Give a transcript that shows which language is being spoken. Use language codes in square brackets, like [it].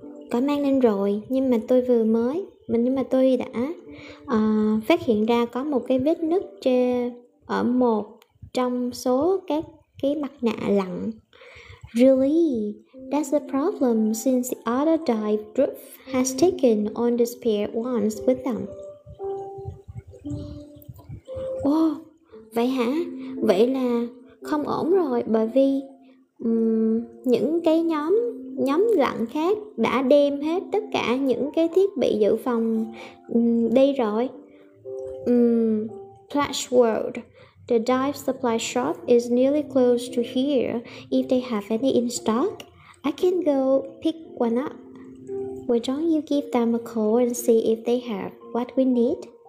[vi] Có mang lên rồi, nhưng mà tôi đã phát hiện ra có một cái vết nứt ở một trong số các cái mặt nạ lặn. [en] Really? That's a problem since the other dive group has taken on the spare ones with them. [vi] Oh, vậy hả? Vậy là không ổn rồi, bởi vì những cái nhóm lặn khác đã đem hết tất cả những cái thiết bị dự phòng đi rồi. [en] Flash World. The dive supply shop is nearly close to here. If they have any in stock, I can go pick one up. Why don't you give them a call and see if they have what we need?